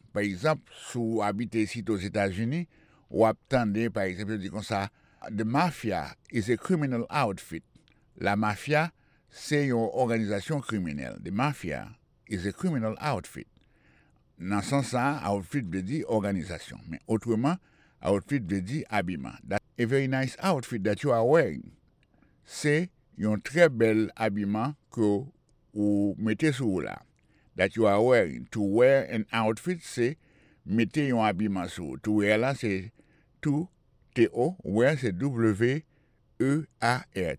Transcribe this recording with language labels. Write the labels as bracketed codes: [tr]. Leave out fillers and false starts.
[fr] Par exemple, si vous habitez ici aux États-Unis, ou attendez, par exemple, je dis comme ça, [en] the mafia is a criminal outfit. [fr] La mafia, c'est une organisation criminelle. [en] The mafia is a criminal outfit. [fr] Dans ce sens-là, outfit veut dire organisation. Mais autrement, outfit veut dire habillement. [en] That's a very nice outfit that you are wearing. [fr] C'est un très bel habillement que vous mettez sur vous là. [en] That you are wearing. To wear an outfit, [fr] c'est mettre un habillement sur vous. [en] To wear [fr] là, c'est to, T-O, wear, c'est W-E-A-R.